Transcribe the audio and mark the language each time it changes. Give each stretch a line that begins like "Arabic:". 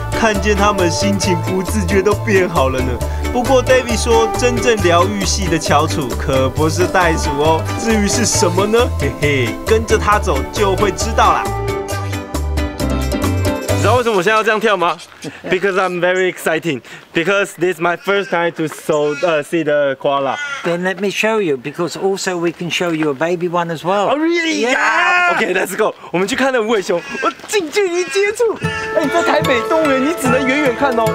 Chinese: 看见他们，心情不自觉都变好了呢。不过 David 说，真正疗愈系的翘楚可不是袋鼠哦，至于是什么呢？嘿嘿，跟着他走就会知道啦。你知道为什么我现在要这样跳吗？
English: Because I'm very exciting. Because this is my first time to see the koala. Then let me show you, because also we can show you a baby one as well. Oh, really? Yeah! Okay, let's go.
Chinese: 我们去看那无尾熊，我近距离接触。哎，在台北动物园你只能远远看哦。